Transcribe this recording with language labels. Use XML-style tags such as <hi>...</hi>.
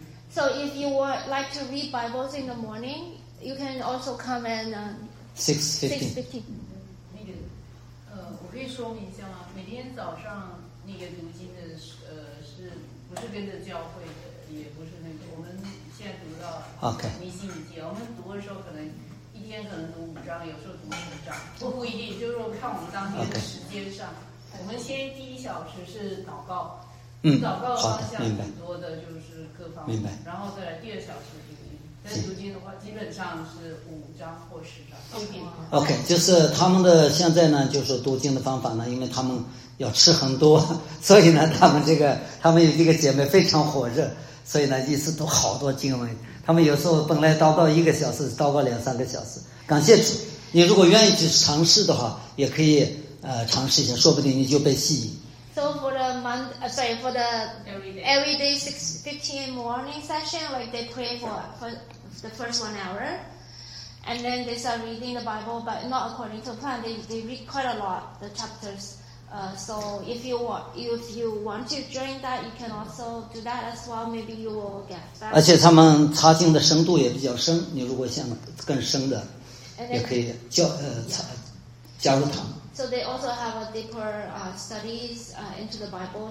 <en>So if you would like to read Bibles in the morning, you can also come and 6:15。</en> <zh>那个，我可以说明一下吗？每天早上那个读经的，是不是跟着教会的？也不是那个，我们现在读到</zh> <en>okay.</en> <zh>迷信节，我们读的时候可能。一天可能读5章，有时候读10章，不一定，就是看我们当天的时间上。</zh> <en>Okay.</en> <zh>我们先第一小时是祷告，祷告的方向很多的，就是各方面。明白。然后再来第二小时读经，但读经的话，基本上是5章或10章。不一定。 OK， 就是他们的现在呢，就是读经的方法呢，因为他们要吃很多，所以呢，他们有一个姐妹非常火热，所以呢，一次读好多经文。他们有时候本来祷告1个小时，祷告2-3个小时。感谢主，你如果愿意去尝试的话，也可以尝试一下，说不定你就被吸引。</zh> <en>So for the everyday 6:15 morning session, like they pray for the first 1 hour, and then they start reading the Bible, but not according to plan. They read quite a lot the chapters. So if you want to join that, you can also do that as well. Maybe you will get that.</en> <zh>而且他们查经的深度也比较深，你如果想更深的，也可以加入他们。</zh> <en>So they also have a deeper studies into the Bible.</en>